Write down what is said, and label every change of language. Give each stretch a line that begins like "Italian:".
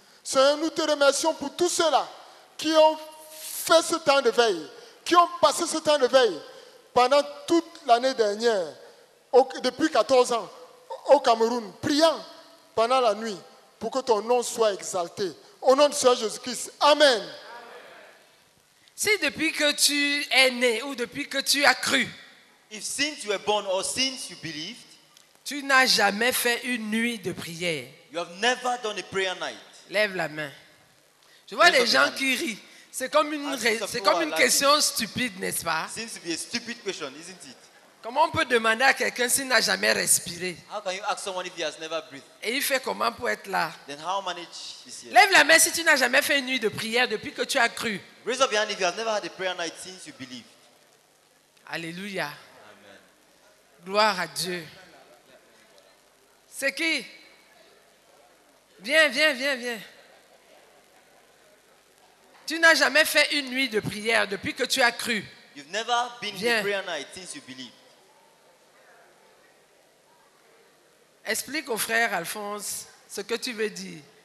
French: Seigneur, nous te remercions pour tous ceux-là qui ont fait ce temps de veille, qui ont passé ce temps de veille pendant toute l'année dernière, depuis 14 ans, au Cameroun, priant pendant la nuit pour que ton nom soit exalté. Au nom du Seigneur Jésus-Christ. Amen. Si depuis que tu es né ou depuis que tu as cru,
English: if since you were born or since you believed,
French: tu n'as jamais fait une nuit de prière.
English: You have never done a prayer night.
French: Lève la main. Je vois les gens qui rient. C'est comme une question stupide, n'est-ce pas?
English: Seems to be a stupid question, isn't it?
French: Comment on peut demander à quelqu'un s'il n'a jamais respiré?
English: How can you ask someone if he has never breathed?
French: Et il fait comment pour être là?
English: Then how manage this year?
French: Lève la main si tu n'as jamais fait une nuit de prière depuis que tu as cru.
English: Raise up your hand if you have never had a prayer night since you believed.
French: Alléluia. Amen. Gloire à Dieu. C'est qui? Viens, viens, viens, viens. Tu n'as jamais fait une nuit de prière depuis que tu as cru.
English: You've never been in prayer night since you believed.
French: Explique au frère Alphonse ce que tu veux dire.